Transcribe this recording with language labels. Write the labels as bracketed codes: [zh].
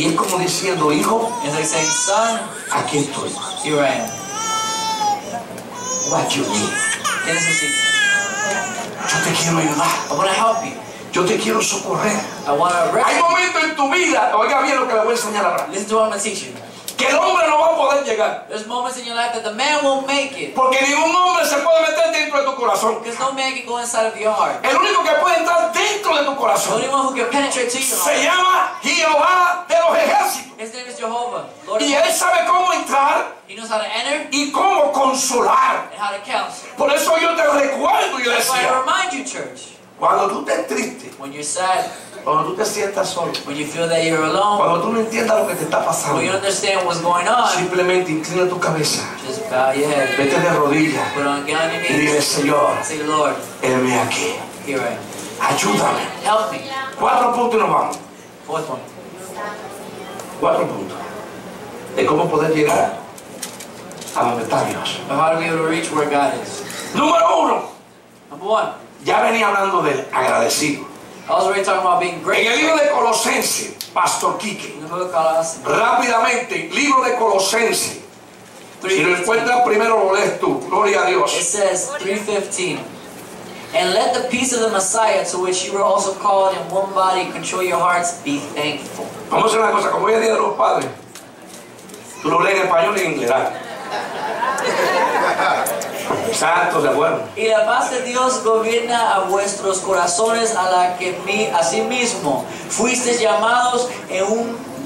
[es] Y es como diciendo, hijo, [en] as I say, son, [es] aquí estoy, [en] here I am. What you need? [es] ¿Qué necesito? Yo te quiero ayudar. [en] I'm gonna help you. [es] Yo te quiero socorrer. [en] I want to rest. [es] Hay momentos en tu vida, oiga bien lo que le voy a enseñar ahora. [en] Listen to what I'm going to teach you. [es] Que el hombre no va a poder llegar. [en] There's moments in your life that the man won't make it. [es] Porque ningún hombre se puede meter dentro de tu corazón. [en] Because no man can go inside of your heart. [es] El único que puede entrar dentro de tu corazón. [en] The only one who can penetrate to your heart. [es] Se llama Jehová de los ejércitos. [en] His name is Jehovah, Lord. [es] Y él sabe cómo entrar. [en] He knows how to enter. [es] Y cómo consolar. [en] And how to counsel. [es] Por eso yo te recuerdo, yo decía. [en] That's why I remind you, church. [es] Cuando tú estés triste, [en] when you're sad, [es] cuando tú te sientas solo, [en] when you feel that you're alone, [es] cuando tú no entiendas lo que te está pasando, [en] when you understand what's going on, [es] simplemente inclina tu cabeza, [en] just bow your head, [es] vete de rodillas, [en] put on your knees, [es] y dile, Señor, [en] say, Lord, [es] heme aquí, [en] here I am, [es] ayúdame, [en] help me. [es] Cuatro puntos y nos vamos. [en] Fourth one. [es] Cuatro puntos. De cómo poder llegar a donde está Dios. [en] How do we able to reach where God is? [es] Número uno. [en] Number one. [es] Ya venía hablando del agradecido. [en] I was already talking about being grateful. [es] En el libro de Colosenses, Pastor Quique. [en] In the book of Colossians. [es] Rápidamente, libro de Colosenses. 3:15. Si lo encuentras primero lo lees tú. Gloria a Dios. [en] It says 3:15. And let the peace of the Messiah, to which you were also called in one body, control your hearts. Be thankful. [es] Vamos a hacer una cosa. Como hoy es día de los padres, tú lo lees en español y en inglés. Exacto, de acuerdo. Y la paz de Dios gobierna a vuestros corazones, a la que asimismo fuisteis llamados en un